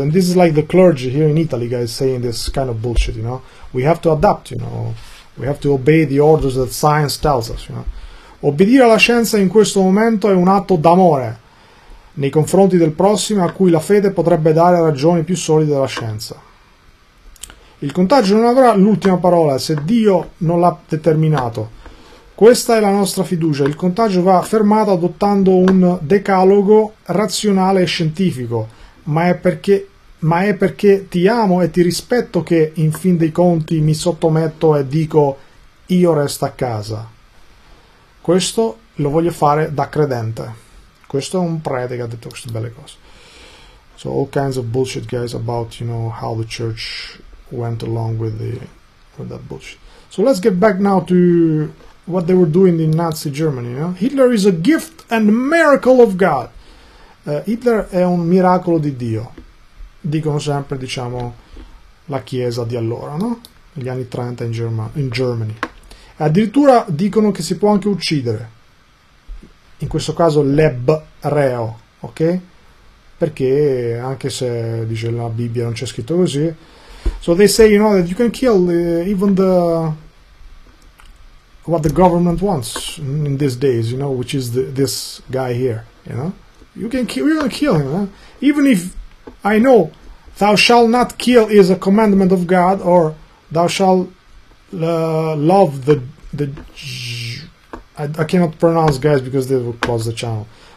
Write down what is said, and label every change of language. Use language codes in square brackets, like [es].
[en] And this is like the clergy here in Italy, guys, saying this kind of bullshit, you know? We have to adapt, you know? We have to obey the orders that science tells us, you know? [it] Obbedire alla scienza in questo momento è un atto d'amore nei confronti del prossimo a cui la fede potrebbe dare ragioni più solide della scienza. Il contagio non avrà l'ultima parola se Dio non l'ha determinato. Questa è la nostra fiducia. Il contagio va fermato adottando un decalogo razionale e scientifico, ma è perché ti amo e ti rispetto che in fin dei conti mi sottometto e dico io resto a casa. Questo lo voglio fare da credente. Questo è un prete che ha detto queste belle cose. [en] So all kinds of bullshit guys about you know how the church went along with that bullshit. So let's get back now to what they were doing in Nazi Germany. You know? Hitler is a gift and miracle of God. [it] Hitler è un miracolo di Dio. Dicono sempre, diciamo, la chiesa di allora, no? Negli anni 30 in Germany. E addirittura dicono che si può anche uccidere. In questo caso, lebreo, ok? Perché anche se dice la Bibbia non c'è scritto così. [en] So they say, you know, that you can kill even what the government wants in these days, you know, which is this guy here, you know? You can kill him, eh? Even if I know. Thou shalt not kill is a commandment of God, or thou shalt love I cannot pronounce guys because they will close the channel.